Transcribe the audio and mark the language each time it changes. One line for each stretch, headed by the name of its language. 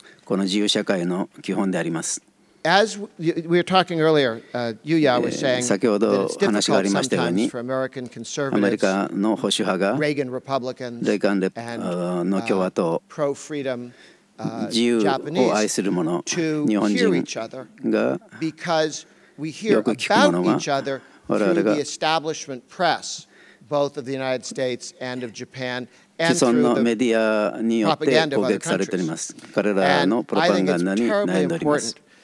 Japanese: この自由社会の基本であります。
English: As we were talking earlier, Yuya was saying that it's difficult sometimes for American conservatives, Reagan Republicans, and pro-freedom Japanese to hear each other because we hear about each other through the establishment press, both of the United States and of Japan.
Japanese: 既存のメディアによって攻撃されております。彼らのプロパガンダに悩んでおります。